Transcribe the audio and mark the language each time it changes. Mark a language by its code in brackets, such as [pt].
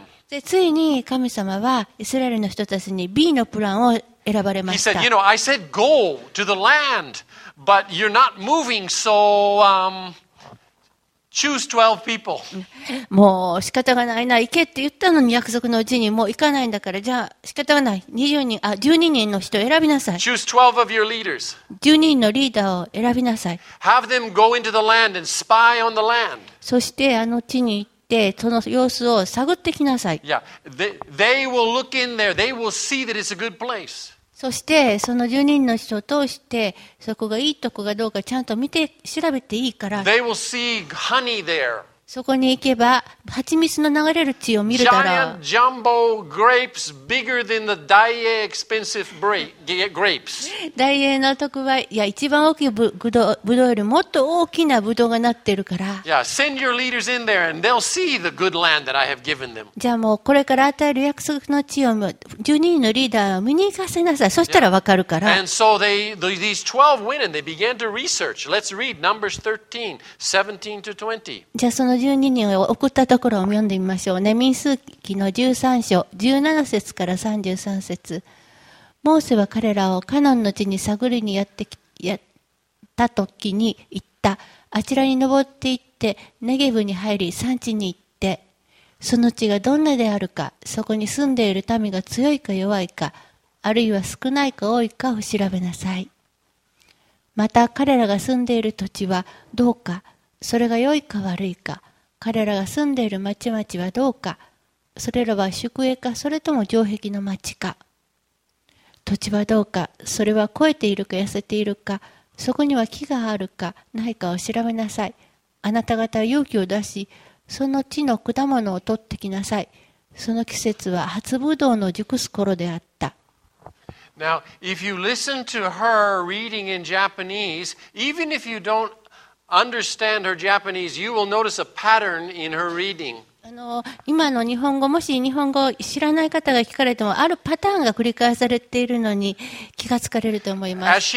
[ja] で、ついに神様はイスラエルの人たちに B のプランを選ばれました。 [en] He said, you know, I said go to the land, but you're not moving, so, Choose 12 people. [ja] もう仕方がないな、行けって言ったのに約束のうちにもう行かないんだから、じゃあ仕方がない、12人の人を選びなさい。 [en] Choose 12 of your leaders. [ja] 12人のリーダーを選びなさい。 [en] Have them go into the land and spy on the land. [ja] そしてあの地に行っって、その様子を探ってきなさい。 [en] Yeah. They will look in there. They will see that it's a good place. [ja] そして、その住人の人を通して、そこがいいとこかどうかちゃんと見て、調べていいから。 [en] They will see honey there. [ja] そこに行けば蜂蜜の流れる地を見るだろう。 [en] ジャンボグレープス bigger than the Daiei expensive grapes。 [ja] ダイエーの特売、いや一番大きいブドウよりもっと大きなブドウがなってるから。 [en] Yeah, send your leaders in there and they'll see the good land that I have given them。 [ja] じゃあもうこれから与える約束の地を12人のリーダーを見に行かせなさい。そしたらわかるから。 [en] And so these 12 women they began to research. Let's read Numbers 13, 17 to 20。 [ja] じゃあその12人を送ったところを読んでみましょうね。民数記の13章17節から33節。モーセは彼らをカナンの地に探りにやった時に言った。あちらに登って行ってネゲブに入り山地に行って、その地がどんなであるか、そこに住んでいる民が強いか弱いか、あるいは少ないか多いかを調べなさい。また彼らが住んでいる土地はどうか、それが良いか悪いか、彼らが住んでいる町々はどうか、それらは宿営か、それとも城壁の町か。土地はどうか、それは肥えているか痩せているか、そこには木があるかないかを調べなさい。あなた方は勇気を出し、その地の果物を取ってきなさい。その季節は初ぶどうの熟す頃であった。 [en] Now, if you listen to her reading in Japanese, even if you don'tUnderstand her Japanese, you will notice a pattern in her reading. [ja] 今の日本語、もし日本語を知らない方が聞かれても、あるパターンが繰り返されているのに気がつかれると思います。